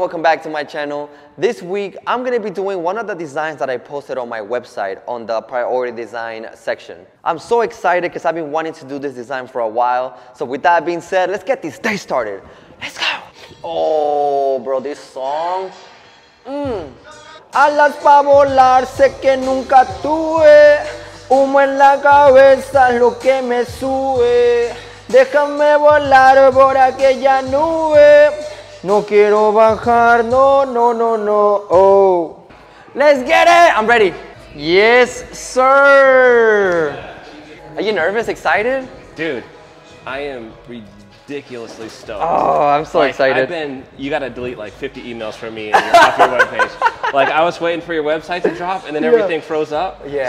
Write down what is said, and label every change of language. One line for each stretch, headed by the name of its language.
English: Welcome back to my channel. This week, I'm gonna be doing one of the designs that I posted on my website on the priority design section. I'm so excited because I've been wanting to do this design for a while. So with that being said, let's get this day started. Let's go. Oh, bro, this song.
Spanish: Alas pa volar, sé que nunca tuve. Humo en la cabeza, lo que me sube. Déjame volar por aquella nube. No quiero bajar, no, no, no, no, oh.
English: Let's get it, I'm ready. Yes, sir. Are you nervous, excited? Dude, I am ridiculously stoked. Oh, I'm so excited. You gotta delete like 50 emails from me off your webpage. Like I was waiting for your website to drop and then everything froze up. Yes.